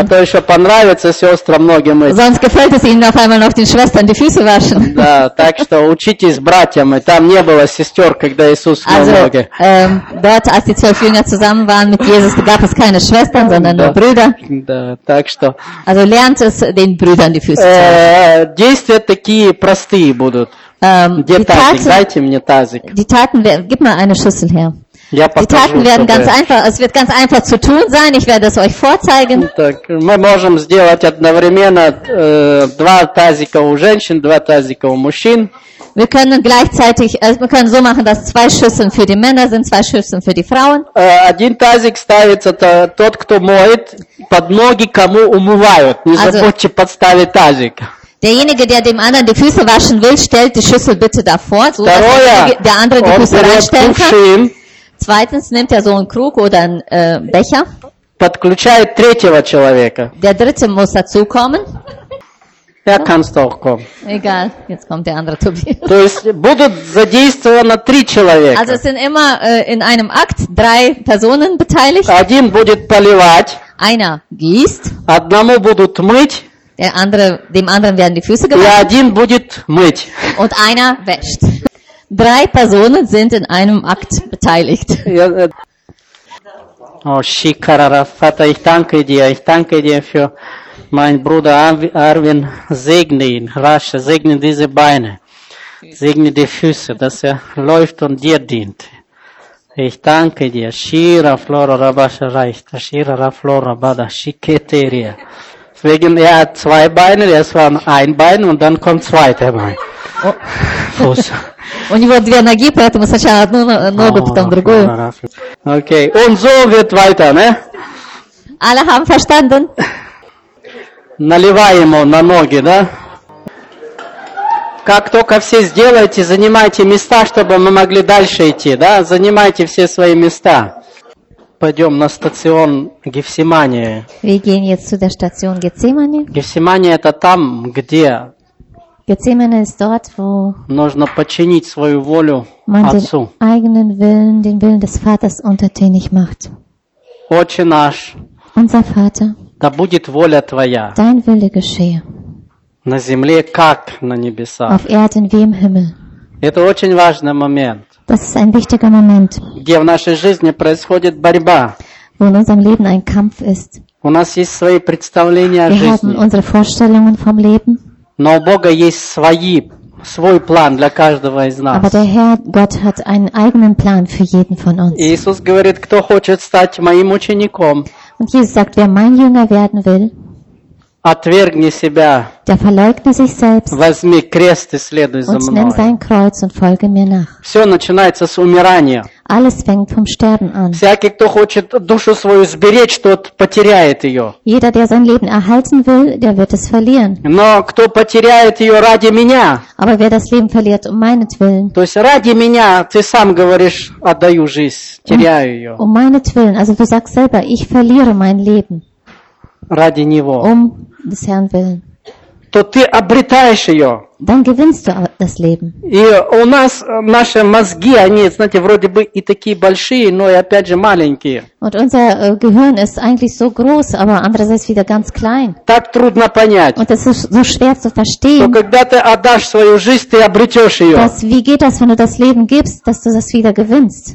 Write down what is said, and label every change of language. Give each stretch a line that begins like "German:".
Russian: А то еще понравится сестрам многим это.
German: Sonst gefällt es ihnen auf einmal noch den Schwestern die Füße waschen.
Russian: Да, так что учитесь братьям. И там не было сестер, когда Иисус умывал
German: also,
Russian: ноги.
German: Dort, als die zwölf Jünger zusammen waren mit Jesus, gab es keine Schwestern, sondern nur Brüder.
Russian: Да, так что.
German: Also lernt es den Brüdern die Füße waschen.
Russian: Действия такие простые будут. Где
German: die
Russian: тазик? Taten, дайте мне тазик.
German: Die Taten, gib mal eine Schüssel her. Die Taten werden ganz einfach, es wird ganz einfach zu tun sein, ich werde es euch vorzeigen.
Russian: Мы можем сделать одновременно два тазика у женщин, два тазика у мужчин.
German: Wir können gleichzeitig, wir können so machen, dass zwei Schüsseln für die Männer sind, zwei Schüsseln für die Frauen.
Russian: Один тазик ставится тот, кто моет, под ноги кому умывают. Не забудьте подставить тазик.
German: Derjenige, der dem anderen die Füße waschen will, stellt die Schüssel bitte davor, so dass der andere die Füße reinstellen kann. Zweitens nimmt er so einen Krug oder einen Becher.
Russian: Подключает третьего человека.
German: Der dritte muss dazukommen. Ja, kannst du auch kommen. Egal, jetzt kommt der andere Tobias.
Russian: То есть будут задействованы три человека.
German: Also sind immer in einem Akt drei Personen beteiligt.
Russian: Один будет поливать.
German: Einer gießt.
Russian: Одному будут мыть.
German: Der andere, dem anderen werden die Füße gewaschen.
Russian: И один будет мыть.
German: Und einer wäscht. Drei Personen sind in einem Akt beteiligt. Oh, Shikarara, Vater, ich danke dir. Ich danke dir für meinen Bruder Arvin. Segne ihn, Rasche, segne diese Beine. Segne die Füße, dass er läuft und dir dient. Ich danke dir. Shira, Flora, Rabasha, Reichta, Shira, Flora, Bada, Shiketeria. Deswegen, er hat zwei Beine, das waren ein Bein und dann kommt zweiter Bein. Oh. Fuß.
Russian: У него две ноги, поэтому сначала одну ногу, потом другую. Окей. Он зовет
German: weiter, ne? Alle haben verstanden.
Russian: Наливай ему на ноги, да? Как только все сделаете, занимайте места, чтобы мы могли дальше идти, да? Занимайте все свои места. Пойдем на стадион Гефсимании.
German: Wir gehen jetzt zu der Station Gethsemane.
Russian: Гефсимания это там, где...
German: Gethsemane ist dort, wo
Russian: нужно подчинить свою волю
German: man
Russian: Отцу.
German: Den eigenen Willen, den Willen des Vaters untertänig macht.
Russian: Отче наш,
German: unser Vater,
Russian: да будет воля Твоя,
German: dein Wille geschehe,
Russian: на земле, как на небесах.
German: Auf Erden wie im Himmel.
Russian: Это очень важный момент,
German: das ist ein wichtiger Moment,
Russian: где в нашей жизни происходит борьба,
German: wo in unserem Leben ein Kampf ist.
Russian: У нас есть свои представления
German: Wir
Russian: о жизни.
German: Haben unsere Vorstellungen vom Leben.
Russian: Но у Бога есть свой план для каждого из нас.
German: Aber der Herr, Gott, hat einen eigenen Plan für jeden von uns.
Russian: Иисус говорит, кто хочет стать моим учеником,
German: und Jesus sagt, wer mein Jünger werden will,
Russian: отвергни себя,
German: der verleugne sich selbst,
Russian: возьми крест и следуй
German: und
Russian: за мной.
German: Nimm sein Kreuz und folge mir nach.
Russian: Все начинается с умирания.
German: Alles fängt vom Sterben an.
Russian: Всякий, кто хочет душу свою сберечь, тот потеряет ее.
German: Jeder, der sein Leben erhalten will, der wird es verlieren.
Russian: Но кто потеряет ее ради меня?
German: Aber wer das Leben verliert um meinetwillen?
Russian: То есть ради меня ты сам говоришь, отдаю жизнь, теряю ее.
German: Um meinetwillen, also du sagst selber, ich verliere mein Leben.
Russian: Ради него.
German: Um des Herrn willen.
Russian: То ты обретаешь ее.
German: Dann gewinnst du das Leben.
Russian: И у нас наши мозги, они, знаете, вроде бы и такие большие, но и опять же маленькие.
German: Und unser Gehirn ist eigentlich so groß, aber andererseits wieder ganz klein.
Russian: Так трудно понять.
German: Und das ist so schwer zu verstehen.
Russian: Но когда ты отдашь свою жизнь, ты обретешь ее.
German: Das, wie geht das, wenn du das Leben gibst, dass du das wieder gewinnst?